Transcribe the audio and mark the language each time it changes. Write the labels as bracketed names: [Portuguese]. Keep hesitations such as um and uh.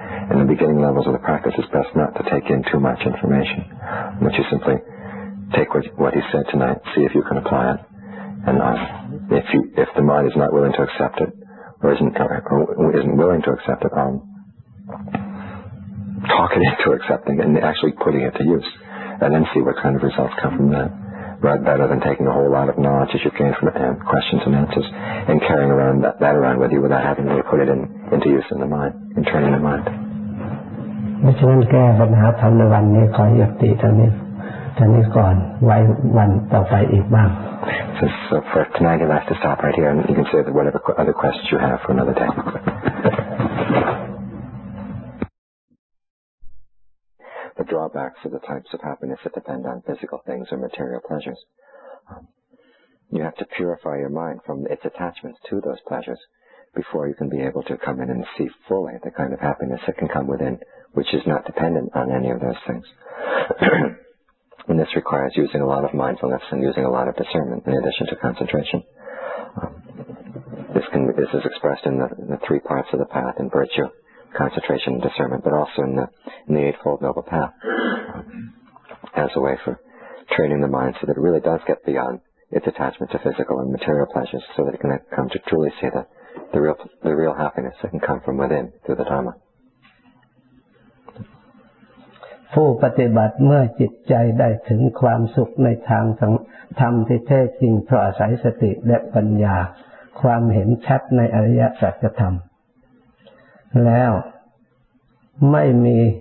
[English] In the beginning levels of the practice, it's best not to take in too much information, but you simply take what, what he said tonight, see if you can apply it, and uh, if you if the mind is not willing to accept it or isn't or isn't willing to accept it, um, talk it into accepting it and actually putting it to use, and then see what kind of results come from that. Rather better than taking a whole lot of knowledge that you've gained from um, questions and answers and carrying around that, that around with you without having really put it in, into use in the mind, in training the mind. [Thai] เพราะฉะนั้นแก้ปัญหาธรรมในวันนี้ขอยุติเท่านี้เท่านี้ก่อนไว้วันต่อไปอีกบ้าง [English] So, so for tonight, you'll have to stop right here, and you can save whatever qu- other questions you have for another day. the drawbacks of the types of happiness that depend on physical things or material pleasures. Um, you have to purify your mind from its attachments to those pleasures before you can be able to come in and see fully the kind of happiness that can come within, which is not dependent on any of those things. And this requires using a lot of mindfulness and using a lot of discernment in addition to concentration. Um, this can this is expressed in the, in the three parts of the path in virtue, concentration, and discernment, but also in the in the eightfold noble path um, as a way for training the mind so that it really does get beyond its attachment to physical and material pleasures, so that it can come to truly see the the real the real happiness that can come from within through the Dharma. [Thai] ผู้ปฏิบัติเมื่อจิตใจได้ถึงความสุขในทางสังธรรมที่แท้จริงเพราะอาศัยสติและปัญญา ความเห็นชัดในอริยสัจธรรม แล้วไม่มี